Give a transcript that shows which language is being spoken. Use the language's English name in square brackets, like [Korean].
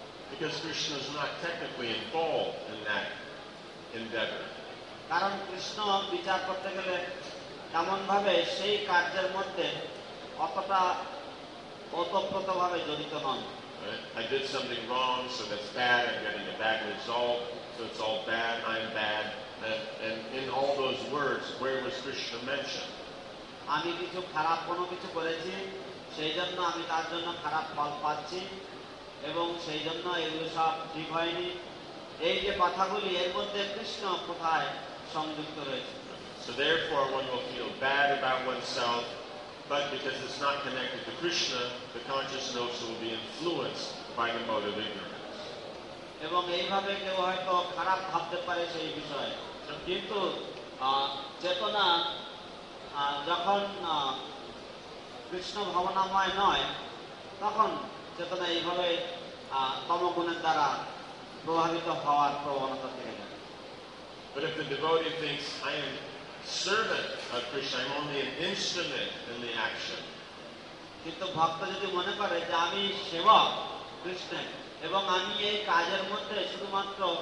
[English] Because Krishna is not technically involved in that endeavor. [Bangla] কারণ কৃষ্ণ বিচার করতে গেলে তেমন ভাবে সেই কার্যের মধ্যে অতটা অতপ্রত ভাবে জড়িত নন। [English] I did something wrong, so that's bad. I'm getting a bad result, so it's all bad. I'm bad. And in all those words, where was Krishna mentioned? [Bangla] আমি কিছু খারাপ কোনো কিছু করেছি সেই জন্য আমি তার জন্য খারাপ ফল পাচ্ছি এবং সেই জন্য এগুলো সব ঠিক হয়নি এই যে কথাগুলি এর মধ্যে কৃষ্ণ কোথায় সংযুক্ত রয়েছে। [English] So therefore one will feel bad about oneself, but because it's not connected to Krishna, the conscious notes will be influenced by the mode of ignorance. [Bangla] এবং এইভাবে কেউ হয়তো খারাপ ভাবতে পারে সেই বিষয়ে কিন্তু চেতনা যখন কৃষ্ণ ভাবনাময় নয় তখন চেতনা এইভাবে তমগুণের দ্বারা প্রভাবিত হওয়ার প্রবণতা থেকে যায়। [English] But if the devotee thinks, I am servant of Krishna, I am only an instrument in the action. [Bangla] কিন্তু ভক্ত যদি মনে করে যে আমি সেবক কৃষ্ণের এবং আমি এই কাজের মধ্যে শুধুমাত্র